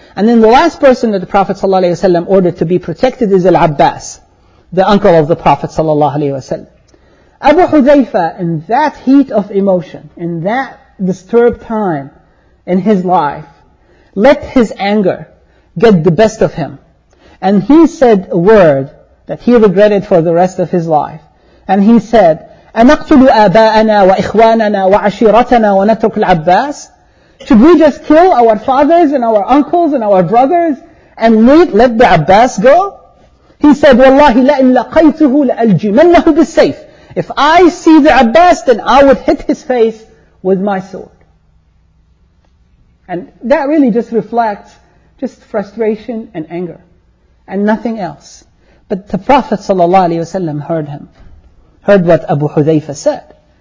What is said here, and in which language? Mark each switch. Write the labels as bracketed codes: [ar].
[en] And then the last person that the Prophet ﷺ ordered to be protected is Al-Abbas, the uncle of the Prophet ﷺ. Abu Hudhayfa, in that heat of emotion, in that disturbed time in his life, let his anger get the best of him. And he said a word that he regretted for the rest of his life. And he said, [ar] أَنَقْتُلُ آبَاءَنَا وَإِخْوَانَنَا وَعَشِيرَتَنَا وَنَتْرُكُ الْعَبَّاسِ. [en] Should we just kill our fathers and our uncles and our brothers and let the Abbas go? He said, [ar] وَاللَّهِ لَإِنْ لَقَيْتُهُ لَأَلْجِمَنَّهُ بِالسَّيْفِ. [en] If I see the Abbas, then I would hit his face with my sword. And that really just reflects just frustration and anger and nothing else. But the Prophet ﷺ heard what Abu Hudhayfa said.